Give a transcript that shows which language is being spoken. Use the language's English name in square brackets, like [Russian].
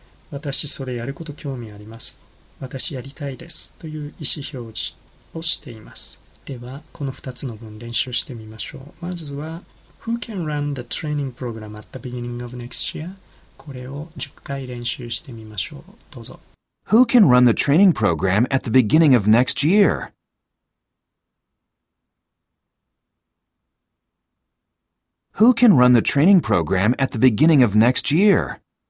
[Japanese] 私それやること興味あります。私やりたいです。という意思表示をしています。では、この2つの文練習してみましょう。まずは [English] Who can run the training program at the beginning of next year? [Japanese] これを10回練習してみましょう。どうぞ。 [English] Who can run the training program at the beginning of next year? Who can run the training program at the beginning of next year?